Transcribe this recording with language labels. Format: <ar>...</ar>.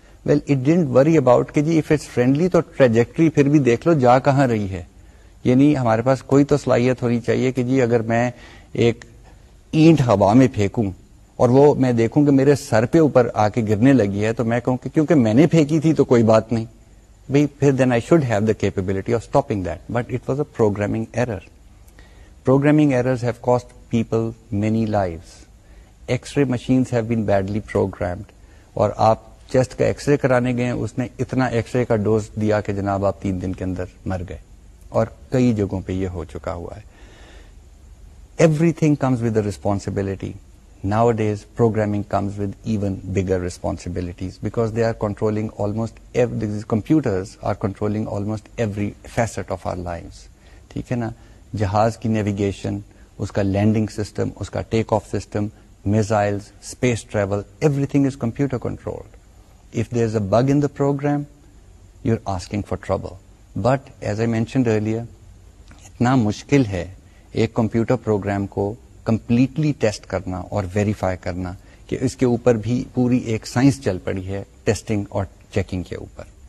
<en>well it didn't worry about</en> <ur>کہ جی</ur> <en>if it's friendly</en> <ur>تو trajectory پھر بھی دیکھ لو جا کہاں رہی ہے. یعنی ہمارے پاس کوئی تو صلاحیت ہونی چاہیے کہ جی اگر میں ایک اینٹ ہوا میں پھینکوں اور وہ میں دیکھوں کہ میرے سر پہ اوپر آ کے گرنے لگی ہے تو میں کہوں کہ کیونکہ میں نے پھینکی تھی تو کوئی بات نہیں.</ur> <en>Then I should have the capability of stopping that. But it was a programming error. Programming errors have cost people many lives. X-ray machines have been badly programmed.</en> <ur>اور آپ چیسٹ کا ایکس رے کرانے گئے, اس نے اتنا X ray کا dose دیا کہ جناب آپ 3 دن کے اندر مر گئے. اور کئی جگہوں پہ یہ ہو چکا ہوا ہے.</ur> <en>Everything comes with responsibility. Nowadays, programming comes with even bigger responsibilities because they are controlling almost these computers are controlling almost every facet of our lives.</en> <ur>Theek hai na? Jahaz ki</ur> <en>navigation, uska landing system, uska takeoff system, missiles, space travel, everything is computer controlled. If there's a bug in the program, you're asking for trouble. But as I mentioned earlier,</en> <ur>itna mushkil hai ek computer program ko completely test کرنا اور verify کرنا کہ اس کے اوپر بھی پوری ایک science چل پڑی ہے ٹیسٹنگ اور چیکنگ کے اوپر.</ur>